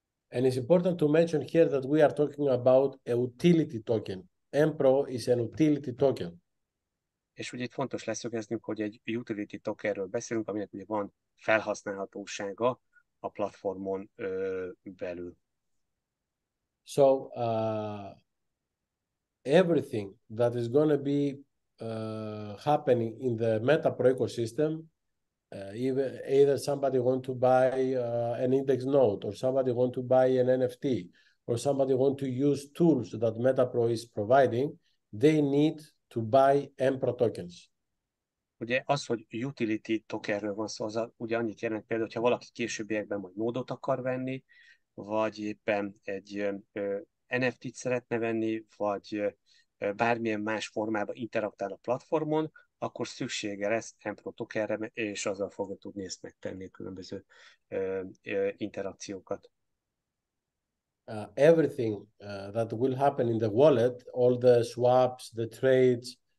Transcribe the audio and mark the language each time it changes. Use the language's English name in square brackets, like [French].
[English] And it's important to mention here that we are talking about a utility token. Empro is an utility token. [Hungarian] És ugye itt fontos leszögeznünk, hogy egy utility tokenről beszélünk, aminek ugye van felhasználhatósága a platformon belül. [English] So everything that is going to be happening in the Metapro ecosystem, either somebody want to buy an index node, or somebody want to buy an NFT, or somebody want to use tools that Metapro is providing, they need to buy Empro tokens. [Hungarian] Ugye az, hogy utility tokenről van szó, szóval ugye annyit jelent például, hogyha valaki későbbiekben majd nódot akar venni, vagy éppen egy NFT-t szeretne venni, vagy bármilyen más formában interaktál a platformon, akkor szüksége lesz Empro tokenre, és azzal fogja tudni ezt megtenni a különböző interakciókat. [English] Everything that will happen in the wallet, all the swaps, the trades,